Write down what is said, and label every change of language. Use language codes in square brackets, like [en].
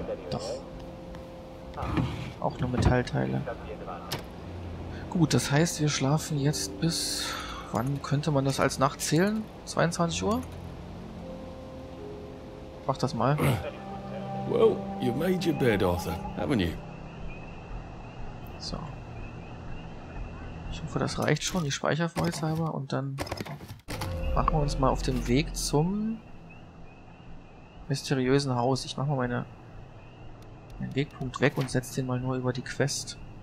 [de] Doch. Auch nur Metallteile. Gut, das heißt, wir schlafen jetzt bis... Wann könnte man das als Nacht zählen? 22 Uhr? Mach das mal. [en] Well, you've made your bed, Arthur, haven't you? [de] So. Ich hoffe, das reicht schon, die Speicherfreiheitshalber, und dann machen wir uns mal auf den Weg zum mysteriösen Haus. Ich mache mal meinen Wegpunkt weg und setze den mal nur über die Quest.